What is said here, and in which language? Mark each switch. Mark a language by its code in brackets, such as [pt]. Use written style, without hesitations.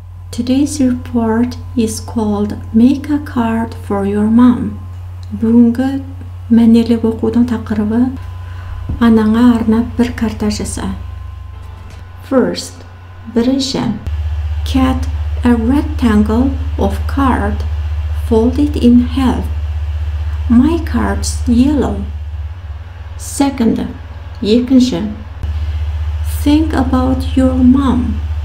[en] Today's report is called Make a Card for Your Mom. [kk] Бүгінгі мәнерлеп оқудың тақырыбы анаңа арнап бір карта жаса. [en] First, [kk] бірінші, [en] cut a rectangle of card, fold it in half. My card's yellow. Second, [kk] екінші, [en] think about your mom.